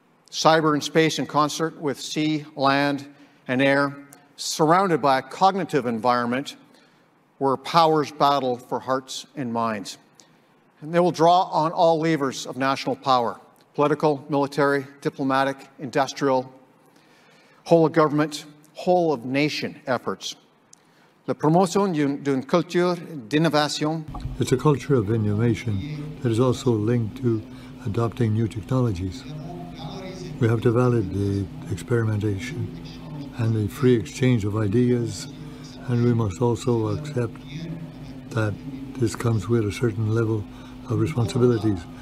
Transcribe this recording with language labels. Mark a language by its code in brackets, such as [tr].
[en] Cyber and space in concert with sea, land, and air, surrounded by a cognitive environment where powers battle for hearts and minds. And they will draw on all levers of national power, political, military, diplomatic, industrial, whole of government, whole of nation efforts. [fr] La promotion d'une culture d'innovation. [en] It's a culture of innovation that is also linked to adopting new technologies. We have to validate the experimentation and the free exchange of ideas, and we must also accept that this comes with a certain level of responsibilities.